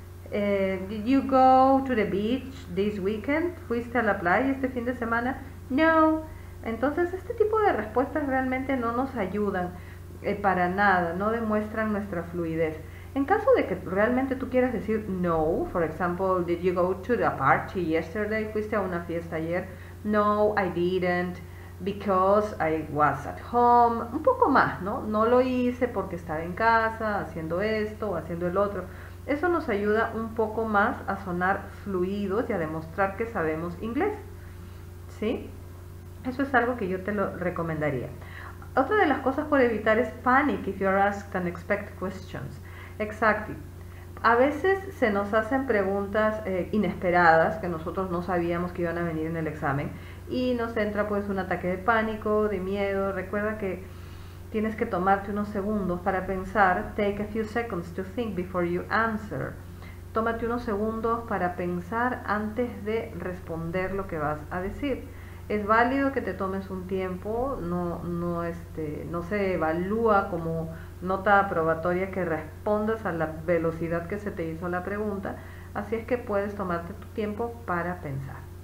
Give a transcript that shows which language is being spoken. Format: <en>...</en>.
<en>Did you go to the beach this weekend?</en> <es>¿Fuiste a la playa este fin de semana? No. Entonces, este tipo de respuestas realmente no nos ayudan para nada, no demuestran nuestra fluidez. En caso de que realmente tú quieras decir no,</es> <en>for example, did you go to the party yesterday?</en> <es>¿Fuiste a una fiesta ayer?</es> <en>No, I didn't, because I was at home.</en> <es>Un poco más, ¿no? No lo hice porque estaba en casa haciendo esto o haciendo el otro. Eso nos ayuda un poco más a sonar fluidos y a demostrar que sabemos inglés. ¿Sí? Eso es algo que yo te lo recomendaría. Otra de las cosas por evitar es</es> <en>panic if you are asked unexpected questions.</en> <es>Exacto. A veces se nos hacen preguntas inesperadas que nosotros no sabíamos que iban a venir en el examen y nos entra pues un ataque de pánico, de miedo. Recuerda que tienes que tomarte unos segundos para pensar.</es> <en>Take a few seconds to think before you answer.</en> <es>Tómate unos segundos para pensar antes de responder lo que vas a decir. Es válido que te tomes un tiempo, no se evalúa como nota aprobatoria que respondas a la velocidad que se te hizo la pregunta, así es que puedes tomarte tu tiempo para pensar.</es>